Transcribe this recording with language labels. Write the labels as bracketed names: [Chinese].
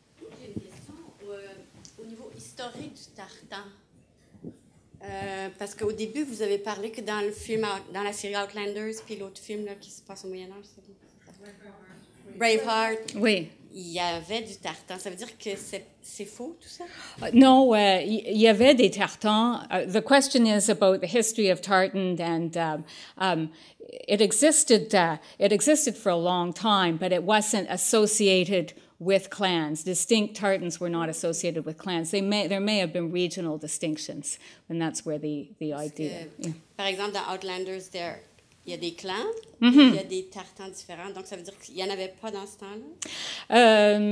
[French] J'ai une question au niveau historique du tartan. Parce qu'au début, vous avez parlé que dans le film, dans la série Outlanders, puis l'autre film là, qui se passe au Moyen-Âge, c'est bon. Braveheart. Oui. Il y avait du tartan. Ça veut dire que c'est faux, tout ça? Non, il y avait des tartans. [English] The question is about the history of tartan and it existed for a long time, but it wasn't associated with clans. Distinct tartans were not associated with clans. There may have been regional distinctions, and that's where the idea. [French] Par exemple, dans Outlanders, there il y a des clans, mm-hmm. il y a des tartans différents. Donc ça veut dire qu'il y en avait pas dans ce temps-là.